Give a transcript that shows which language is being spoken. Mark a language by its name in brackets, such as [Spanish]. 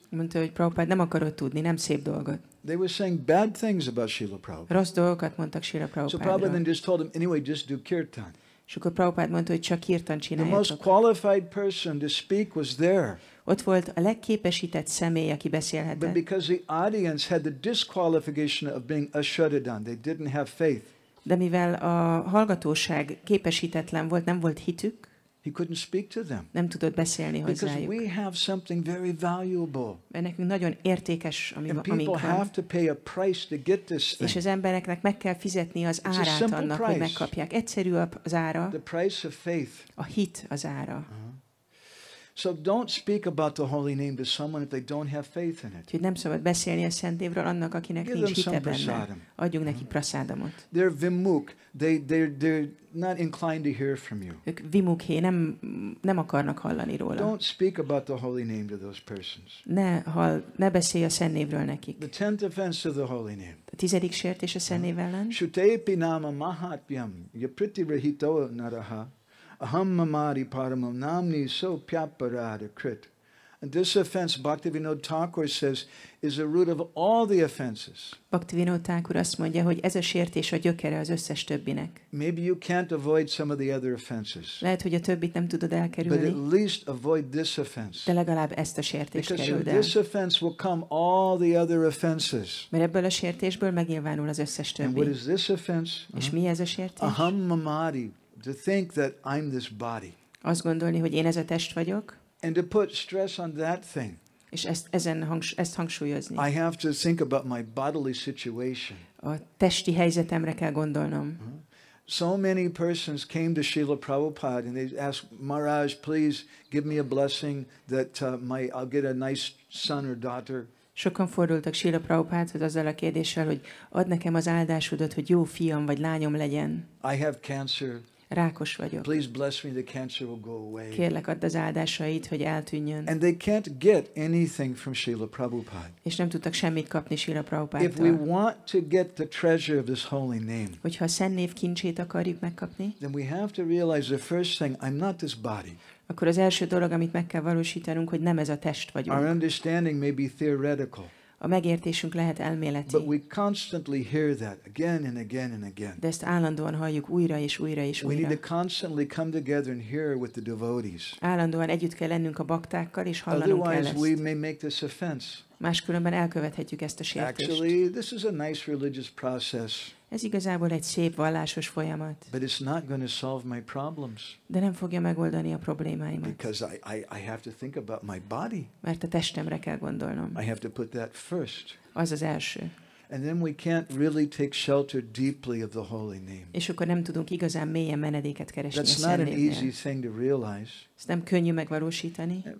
[Hungarian] Mondta, hogy Prabhupád, nem akarod tudni, nem szép dolgot. [English] They were saying bad things about Srila Prabhupád. [Hungarian] Rossz dolgokat mondtak Srila Prabhupádról. [English] So Prabhupád then just told him, anyway, just do kirtan. [Hungarian] És akkor Prabhupád mondta, hogy csak kirtan csináljátok. [English] The most qualified person to speak was there. [Hungarian] Ott volt a legképesített személy, aki beszélhetett. [English] But because the audience had the disqualification of being ashradadan, they didn't have faith. [Hungarian] De mivel a hallgatóság képesítetlen volt, nem volt hitük, [English] he couldn't speak to them. [Hungarian] Nem tudott beszélni [English] because [Hungarian] hozzájuk. [English] We have something very valuable. [Hungarian] Mert nekünk nagyon értékes, amink van. És az embereknek meg kell fizetni az árát annak, [English] price. [Hungarian] Hogy megkapják. Egyszerű az ára. [English] The price of faith. [Hungarian] A hit az ára. [English] So don't speak about the holy name to someone if they don't have faith in it. [Hungarian] Hogy nem szabad beszélni a szent névről annak, akinek nincs hite benne. Adjunk neki prasádamot. [English] They're vimuk. They're not inclined to hear from you. [Hungarian] Ők vimukhé, nem akarnak hallani róla. [English] Don't speak about the holy name to those persons. [Hungarian] Ne beszélj a szent névről nekik. [English] The tenth offense of the holy name. [Hungarian] A tizedik sértés a szent név ellen. [Sanskrit] Shutepi nama mahatyam yapriti rahito naraha. Aham mamari paramam namni so pyaparada krit. [English] And this offense, Bhaktivinoda Thakur says, is the root of all the offenses. [Hungarian] Bhaktivinoda Thakur azt mondja, hogy ez a sértés a gyökere az összes többinek. [English] Maybe you can't avoid some of the other offenses. [Hungarian] Lehet, hogy a többit nem tudod elkerülni. [English] But at least avoid this offense. [Hungarian] De legalább ezt a sértést kerüld el. [English] Because this offense will come all the other offenses. [Hungarian] Mert ebből a sértésből megnyilvánul az összes többi. [English] And what is this offense? [Hungarian] És mi ez a sértés? [English] Aham mamari. To think that I'm this body. [Hungarian] Azt gondolni, hogy én ez a test vagyok. [English] And to put stress on that thing. [Hungarian] És ezt hangsúlyozni. [English] I have to think about my bodily situation. [Hungarian] A testi helyzetemre kell gondolnom. [English] So many persons came to Srila Prabhupada and they asked, Maharaj, please give me a blessing that I'll get a nice son or daughter. [Hungarian] Sokan fordultak Srila Prabhupádhoz azzal a kérdéssel, hogy add nekem az áldásodat, hogy jó fiam vagy lányom legyen. [English] I have cancer. [Hungarian] Rákos vagyok. [English] Please bless me, the cancer will go away. [Hungarian] Kérlek, add az áldásait, hogy eltűnjön. [English] And they can't get anything from Srila Prabhupada. [Hungarian] És nem tudtak semmit kapni Srila Prabhupádtól. [English] If we want to get the treasure of this holy name, [Hungarian] hogyha a szent név kincsét akarjuk megkapni, [English] then we have to realize the first thing, I'm not this body. [Hungarian] Akkor az első dolog, amit meg kell valósítanunk, hogy nem ez a test vagyunk. [English] Our understanding may be theoretical. [Hungarian] A megértésünk lehet elméleti. [English] But we constantly hear that again and again and again. [Hungarian] De ezt állandóan halljuk újra és újra és újra. [English] We need to constantly come together and hear with the devotees. [Hungarian] Állandóan együtt kell lennünk a baktákkal és hallanunk [English] Otherwise, [Hungarian] kell ezt. [English] Otherwise, we may make this offense. [Hungarian] Máskülönben elkövethetjük ezt a sértést. [English] Actually, this is a nice religious process. [Hungarian] Ez igazából egy szép vallásos folyamat. [English] But it's not going to solve my problems. [Hungarian] De nem fogja megoldani a problémáimat. [English] Because I have to think about my body. [Hungarian] Mert a testemre kell gondolnom. [English] I have to put that first. [Hungarian] Az az első. [English] And then we can't really take shelter deeply of the holy name. [Hungarian] És akkor nem tudunk igazán mélyen menedéket keresni a Szentlélek. [English] That's not an easy thing to realize. [Hungarian] Ezt nem könnyű megvalósítani.